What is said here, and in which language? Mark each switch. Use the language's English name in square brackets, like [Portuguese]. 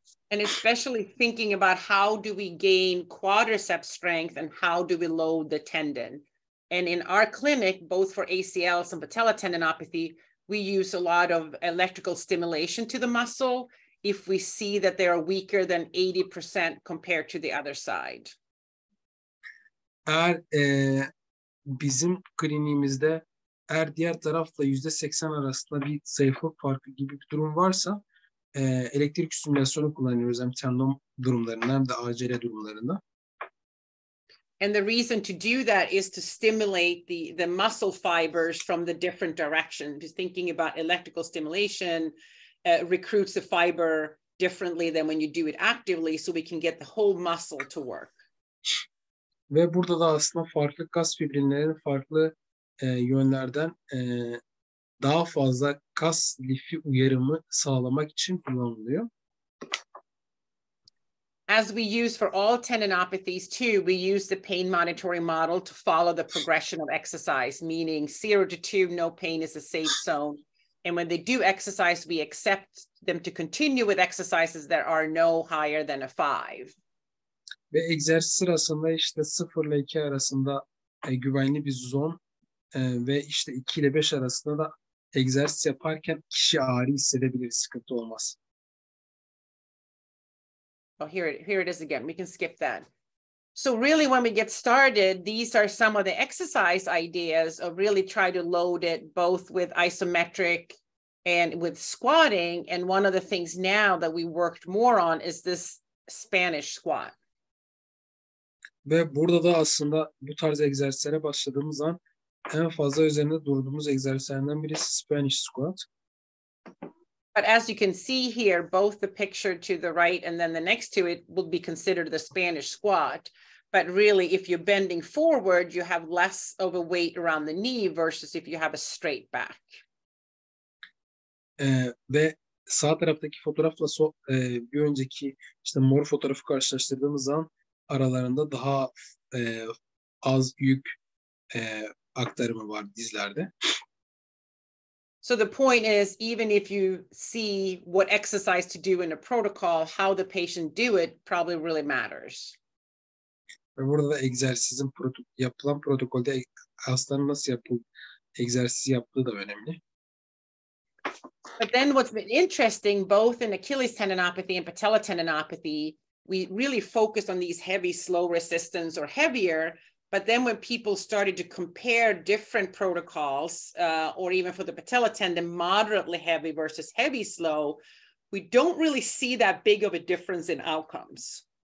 [English] And especially thinking about how do we gain quadriceps strength and how do we load the tendon. And in our clinic, both for ACLs and patella tendinopathy, we use a lot of electrical stimulation to the muscle if we see that they are weaker than 80% compared to the other side. [Turkish] Eğer bizim kliniğimizde eğer diğer tarafla %80 arasında bir zayıflık farkı gibi bir durum varsa elektrik stimülasyonu kullanıyoruz hem tendon durumlarında hem de acele durumlarında. [English] And the reason to do that is to stimulate the muscle fibers from the different direction. Just thinking about electrical stimulation recruits the fiber differently than when you do it actively, so we can get the whole muscle to work. [Turkish] Ve burada da aslında farklı kas fibrinlerinin farklı yönlerden daha fazla kas lifi uyarımı sağlamak için kullanılıyor. [English] As we use for all tendinopathies too, we use the pain monitoring model to follow the progression of exercise, meaning 0 to 2, no pain is a safe zone. And when they do exercise, we accept them to continue with exercises that are no higher than a 5. [Turkish] Ve egzersiz sırasında işte 0 ile 2 arasında güvenli bir zon ve işte 2 ile 5 arasında da egzersiz yaparken kişi ağrı hissedebilir, sıkıntı olmaz. [English] Oh, here it is again. We can skip that. So really, when we get started, these are some of the exercise ideas of really try to load it both with isometric and with squatting. And one of the things now that we worked more on is this Spanish squat. [Turkish] Ve burada da aslında bu tarz egzersizlere başladığımız an en fazla üzerinde durduğumuz egzersizlerden birisi Spanish squat. [English] But as you can see here, both the picture to the right and then the next to it will be considered the Spanish squat. But really, if you're bending forward, you have less of a weight around the knee versus if you have a straight back. [Turkish] Ve sağ taraftaki fotoğrafla bir önceki işte mor fotoğrafı karşılaştırdığımız zaman aralarında daha az yük aktarımı var dizlerde. [English] So the point is, even if you see what exercise to do in a protocol, how the patient do it probably really matters. [Turkish] Ve burada da egzersizin yapılan protokolde hastanın nasıl egzersiz yaptığı da önemli. [English] But then what's been interesting, both in Achilles tendinopathy and patella tendinopathy, we really focus on these heavy, slow resistance or heavier. But then when people started to compare different protocols, or even for the patella tendon, moderately heavy versus heavy slow, we don't really see that big of a difference in outcomes.